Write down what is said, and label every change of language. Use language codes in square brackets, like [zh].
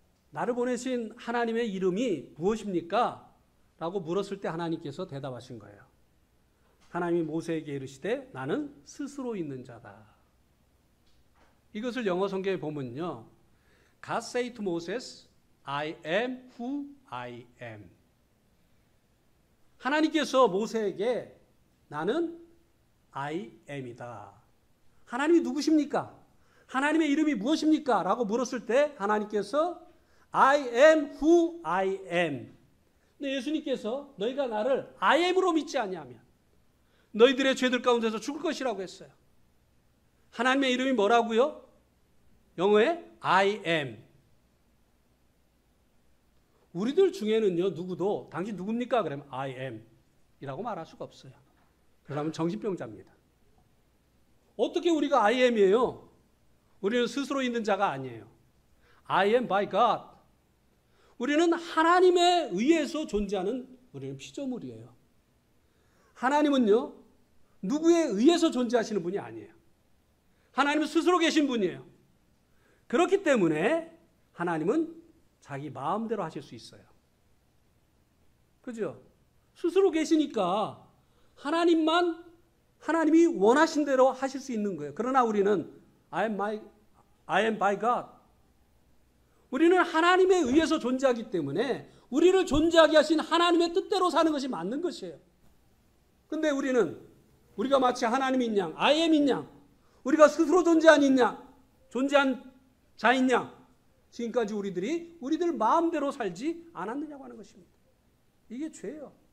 [ko] 나를 보내신 하나님의 이름이 무엇입니까? 라고 물었을 때 하나님께서 대답하신 거예요. 하나님이 모세에게 이르시되 나는 스스로 있는 자다. 이것을 영어 성경에 보면요. [en] God say to Moses, I am who I am. [ko] 하나님께서 모세에게 나는 I am이다. 하나님이 누구십니까? 하나님의 이름이 무엇입니까? 라고 물었을 때 하나님께서 [en] I am who I am. [ko] 근데 예수님께서 너희가 나를 I am으로 믿지 아니하면 너희들의 죄들 가운데서 죽을 것이라고 했어요. 하나님의 이름이 뭐라고요? 영어에 [en] I am. [ko] 우리들 중에는요 누구도 당신 누굽니까? 그러면 I am 이라고 말할 수가 없어요. 그러면 정신병자입니다. 어떻게 우리가 I am이에요? 우리는 스스로 있는 자가 아니에요. [en] I am by God. [ko] 우리는 하나님에 의해서 존재하는 우리는 피조물이에요. 하나님은요 누구에 의해서 존재하시는 분이 아니에요. 하나님은 스스로 계신 분이에요. 그렇기 때문에 하나님은 자기 마음대로 하실 수 있어요. 그죠? 스스로 계시니까 하나님만 하나님이 원하신 대로 하실 수 있는 거예요. 그러나 우리는 [en] I am by God. [ko] 우리는 하나님에 의해서 존재하기 때문에 우리를 존재하게 하신 하나님의 뜻대로 사는 것이 맞는 것이에요. 그런데 우리는 우리가 마치 하나님인 양, I am인 양, 우리가 스스로 존재하는 양, 존재한 자인 양, 지금까지 우리들이 우리들 마음대로 살지 않았느냐고 하는 것입니다. 이게 죄예요.